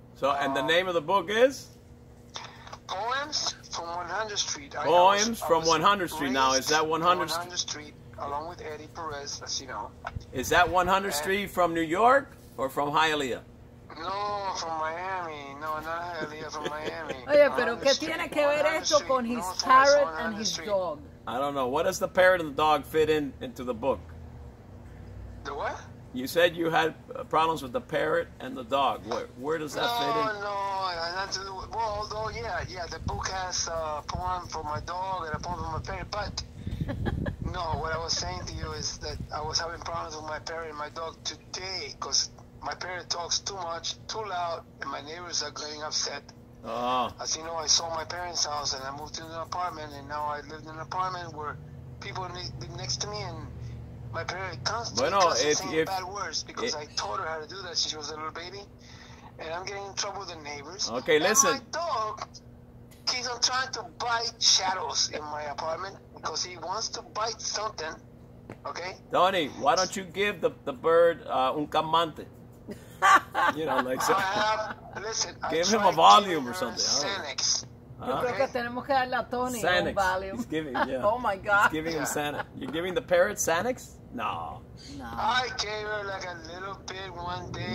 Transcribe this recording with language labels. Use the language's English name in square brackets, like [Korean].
[English] So, and the name of the book is? Poems from 100 Street. From 100 Street. Now, is that 100 Street? 100 Street, along with Eddie Perez, as you know. Is that 100 Street from New York or from Hialeah? No, from Miami. No, not Hialeah, from Miami. [Spanish] Oye, pero ¿qué tiene que ver esto con [English] his parrot and his dog? I don't know. What does the parrot and the dog fit in into the book? The what? You said you had problems with the parrot and the dog. Where does that fit in? No, not to do with, well, although, yeah, the book has a poem for my dog and a poem for my parrot, but no, what I was saying to you is that I was having problems with my parrot and my dog today because my parrot talks too much, too loud, and my neighbors are getting upset. As you know, I sold my parents' house and I moved into an apartment, and now I live in an apartment where people live next to me, and my parrot constantly saying bad words because I taught her how to do that since she was a little baby. And I'm getting in trouble with the neighbors. Okay, and listen. My dog keeps on trying to bite shadows in my apartment because he wants to bite something. Okay? Donnie, why don't you give the bird [Spanish] un calmante? [English] You know, like so. Listen, give I him a volume or something. Xanax. [Spanish] Yo creo que tenemos que darle a Tony un Valium. [English] He's giving, yeah. Oh my God. He's giving him Xanax. You're giving the parrot Xanax? No. No. I gave her like a little bit one day.